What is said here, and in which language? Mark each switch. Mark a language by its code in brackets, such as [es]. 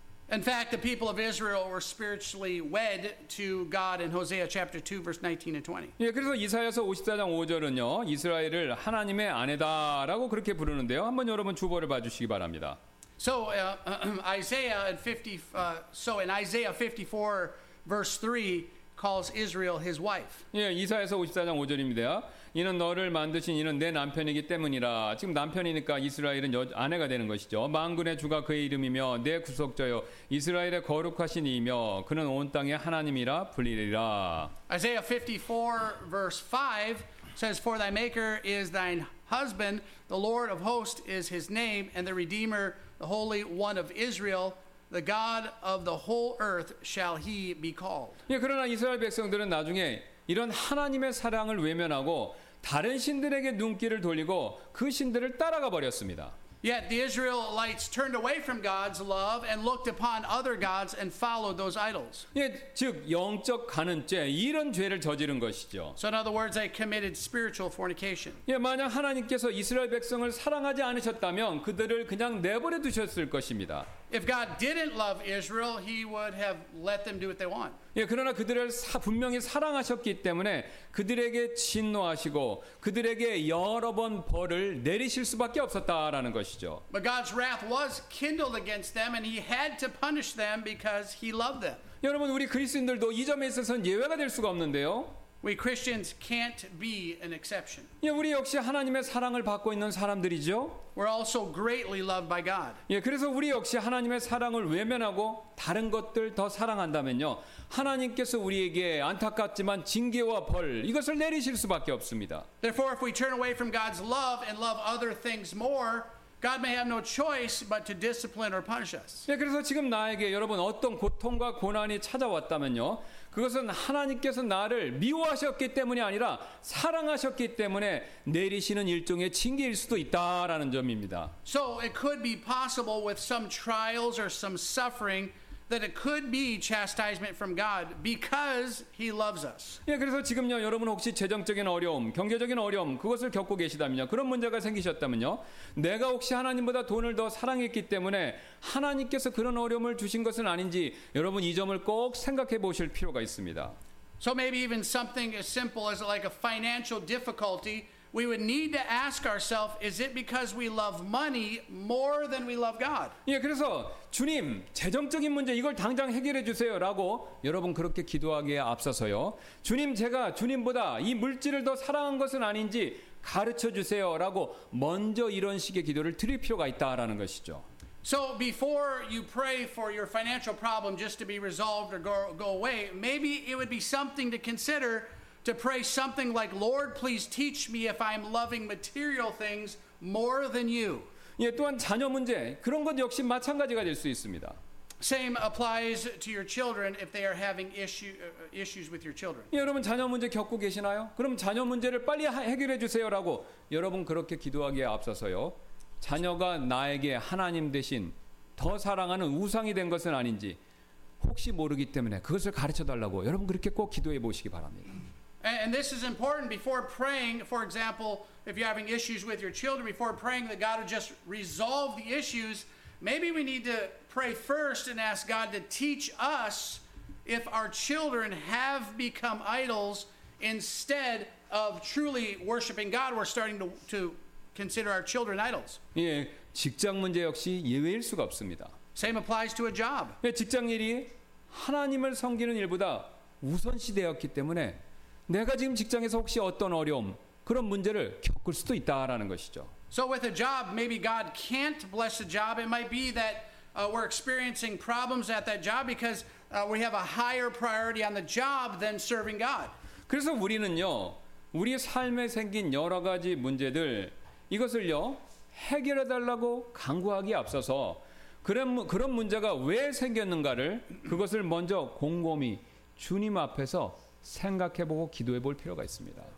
[en] In fact, the people of Israel were spiritually wed to God in Hosea chapter 2 verse 19 and 20. [ko] 예, 그래서 이사야서 54장 5절은요. 이스라엘을 하나님의 아내다라고 그렇게 부르는데요. 한번 여러분 주보를 봐 주시기 바랍니다. [en] So Isaiah in 50 so in Isaiah 54 verse 3 calls Israel his wife. [ko] 예, 이사야서 54장 5절입니다. 이는 너를 만드신 이는 내 남편이기 때문이라. 지금 남편이니까 이스라엘은 아내가 되는 것이죠. 만군의 주가 그의 이름이며 내 구속자여 이스라엘의 거룩하신 이며 그는 온 땅의 하나님이라 불리리라. [en] Isaiah 54 verse 5 says, For thy maker is thine husband, the Lord of hosts is his name, and the Redeemer, the Holy One of Israel, the God of the whole earth shall he be called. [ko] 예, 그러나 이스라엘 백성들은 나중에 이런 하나님의 사랑을 외면하고 다른 신들에게 눈길을 돌리고 그 신들을 따라가 버렸습니다. [en] Yet the Israelites turned away from God's love and looked upon other gods and followed those idols. [ko] 예, 즉 영적 간음죄 이런 죄를 저지른 것이죠. [en] So in other words, they committed spiritual fornication. [ko] 예, 만약 하나님께서 이스라엘 백성을 사랑하지 않으셨다면 그들을 그냥 내버려 두셨을 것입니다. [en] If God didn't love Israel, he would have let them do what they want. [ko] 예, 그러나 그들을 분명히 사랑하셨기 때문에 그들에게 진노하시고 그들에게 여러 번 벌을 내리실 수밖에 없었다라는 것이죠. [en] But God's wrath was kindled against them and he had to punish them because he loved them. [ko] 여러분 우리 그리스도인들도 이 점에 있어서는 예외가 될 수가 없는데요. [en] We Christians can't be an exception. [ko] 예, 우리 역시 하나님의 사랑을 받고 있는 사람들이죠. [en] We're also greatly loved by God. [ko] 예, 그래서 우리 역시 하나님의 사랑을 외면하고 다른 것들 더 사랑한다면요, 하나님께서 우리에게 안타깝지만 징계와 벌 이것을 내리실 수밖에 없습니다. [en] Therefore, if we turn away from God's love and love other things more, God may have no choice but to discipline or punish us. [ko] 예, 그래서 지금 나에게 여러분 어떤 고통과 고난이 찾아왔다면요. 그것은 하나님께서 나를 미워하셨기 때문이 아니라 사랑하셨기 때문에 내리시는 일종의 징계일 수도 있다라는 점입니다. [en] So it could be possible with some trials or some suffering that it could be chastisement from God because he loves us. [ko] 예, 그래서 지금요 여러분 혹시 재정적인 어려움, 경제적인 어려움 그것을 겪고 계시다면요. 그런 문제가 생기셨다면요. 내가 혹시 하나님보다 돈을 더 사랑했기 때문에 하나님께서 그런 어려움을 주신 것은 아닌지 여러분 이 점을 꼭 생각해 보실 필요가 있습니다. [en] So maybe even something as simple as like a financial difficulty, we would need to ask ourselves, is it because we love money more than we love God? [ko] 예, 그래서 주님, 재정적인 문제 이걸 당장 해결해 주세요라고 여러분 그렇게 기도하기에 앞서서요. 주님, 제가 주님보다 이 물질을 더 사랑한 것은 아닌지 가르쳐 주세요라고 먼저 이런 식의 기도를 드릴 필요가 있다라는 것이죠. [en] So before you pray for your financial problem just to be resolved or go away, maybe it would be something to consider to pray something like, Lord, please teach me if I'm loving material things more than you. [ko] 예, 또한 자녀 문제, 그런 것 역시 마찬가지가 될 수 있습니다. [en] Same applies to your children if they are having issues with your children. [ko] 예, 여러분 자녀 문제 겪고 계시나요? 그럼 자녀 문제를 빨리 해결해 주세요라고 여러분 그렇게 기도하기에 앞서서요. 자녀가 나에게 하나님 대신 더 사랑하는 우상이 된 것은 아닌지 혹시 모르기 때문에 그것을 가르쳐 달라고 여러분 그렇게 꼭 기도해 보시기 바랍니다. [en] And this is important before praying, for example, if you're having issues with your children, before praying that God would just resolve the issues, maybe we need to pray first and ask God to teach us if our children have become idols instead of truly worshiping God. We're starting to consider our children idols. [ko] 예, 직장 문제 역시 예외일 수가 없습니다. [en] Same applies to a job. [ko] 예, 직장 일이 하나님을 섬기는 일보다 우선시 되었기 때문에 내가 지금 직장에서 혹시 어떤 어려움 그런 문제를 겪을 수도 있다라는 것이죠. [en] So with a job, maybe God can't bless the job. It might be that we're experiencing problems at that job because we have a higher priority on the job than serving God. [ko] 그래서 우리는요, 우리 삶에 생긴 여러 가지 문제들 이것을요 해결해 달라고 간구하기 앞서서 그런 문제가 왜 생겼는가를 그것을 먼저 곰곰이 주님 앞에서 생각해보고 기도해볼 필요가 있습니다.